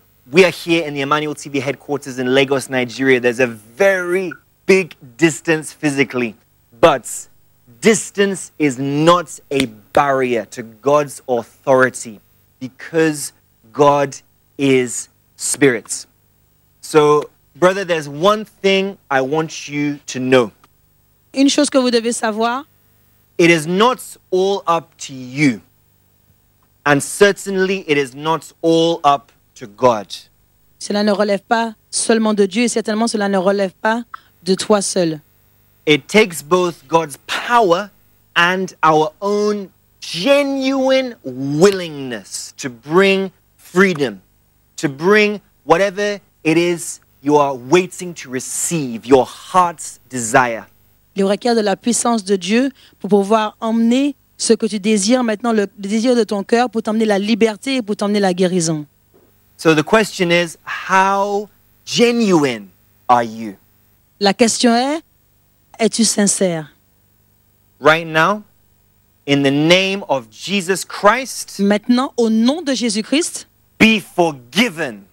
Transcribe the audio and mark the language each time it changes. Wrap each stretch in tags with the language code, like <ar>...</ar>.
<en>We are here in the Emmanuel TV headquarters in Lagos, Nigeria. There's a very big distance physically, but distance is not a barrier to God's authority because God is spirit. So Brother, there's one thing I want you to know.</en> <fr>Une chose que vous devez savoir.</fr> <en>It is not all up to you. And certainly it is not all up to God.</en> <fr>Cela ne relève pas seulement de Dieu et certainement cela ne relève pas de toi seul.</fr> <en>It takes both God's power and our own genuine willingness to bring freedom, to bring whatever it is you are waiting to receive, your heart's desire.</en> <fr>Il requiert de la puissance de Dieu pour pouvoir emmener ce que tu désires maintenant, le désir de ton cœur, pour t'emmener la liberté et pour t'emmener la guérison.</fr> <en>So the question is, how genuine are you?</en> <fr>La question est, es-tu sincère?</fr> <en>Right now, in the name of Jesus Christ,</en> <fr>maintenant, au nom de Jésus-Christ,</fr> <en>be forgiven.</en>